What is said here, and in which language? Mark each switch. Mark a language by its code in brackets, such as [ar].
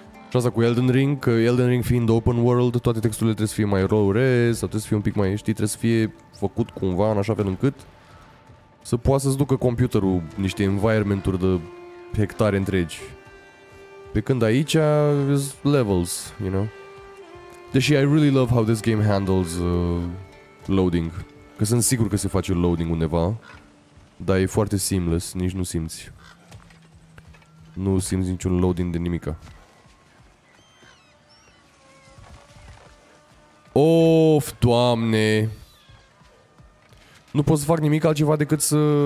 [ro] Și asta cu Elden Ring, că Elden Ring fiind open world, toate texturile trebuie să fie mai low-res, sau trebuie să fie un pic mai, știi, trebuie să fie făcut cumva în așa fel încât să poată să-ți ducă computerul niște environment-uri de hectare întregi. Pe când aici, [en] is levels, you know? [ro] Deși [en] I really love how this game handles loading. [ro] Că sunt sigur că se face loading undeva, dar e foarte seamless, nici nu simți. Nu simți niciun loading de nimica. Of, Doamne! Nu pot să fac nimic altceva decât să...